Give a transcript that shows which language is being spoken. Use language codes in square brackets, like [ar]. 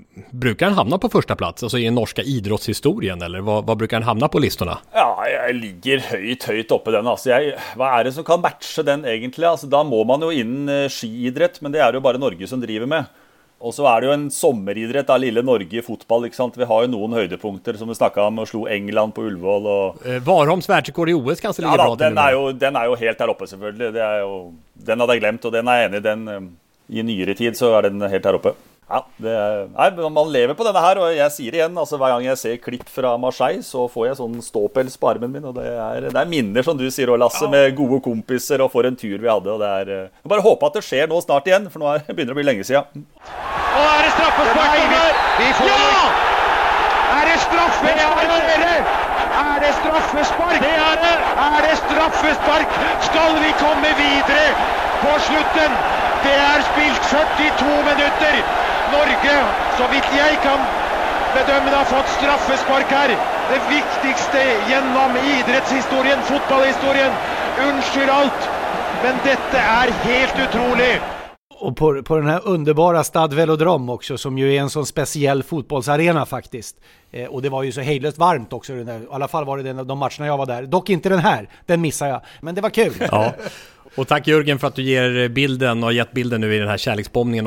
[sv] Brukar han hamna på första plats, alltså i norska idrottshistorien, eller vad brukar han hamna på listorna? Ja, jag ligger höjt uppe den, alltså jag, vad är det som kan matcha den egentligen? Alltså då må man ju in skidrätt, men det är ju bara Norge som driver med. [no] Og så er det jo en sommeridrett av lille Norge i fotball, ikke sant? Vi har jo noen høydepunkter som vi snakket om, og slo England på Ullevål. Og Varholms verdensrekord i OS kanskje ligger bra til. Ja da, den er jo helt her oppe selvfølgelig. Det er jo, den hadde jeg glemt, og den er enig. Den, i nyere tid så er den helt her oppe. Ja, det er, nei, man lever på denne her, og jeg sier igjen, altså hver gang jeg ser klipp fra Marseille, så får jeg sånn ståpels på armen min, og det er minner som du sier, og Lasse, ja, med gode kompiser og for en tur vi hadde, og det er, jeg bare håper at det skjer nå snart igjen, for nå begynner det å bli lenge siden. Og er det straffespark kommer? Ja! Er det straffespark? Er det straffespark? Det er det! Er det straffespark? Skal vi komme videre på slutten? Det er spilt 42 minutter. Norge, så vidt jeg kan bedømme, har fått straffespark her. Det viktigste gjennom idrettshistorien, fotballhistorien. Unnskyld alt, men dette er helt utrolig. [sv] Och på den här underbara Stad Velodrom också, som ju är en sån speciell fotbollsarena faktiskt. Och det var ju så hejlöst varmt också. Den där, i alla fall var det den, de matcherna jag var där. Dock inte den här, den missar jag. Men det var kul. Ja. Och tack Jörgen för att du ger bilden och gett bilden nu i den här kärleksbombningen.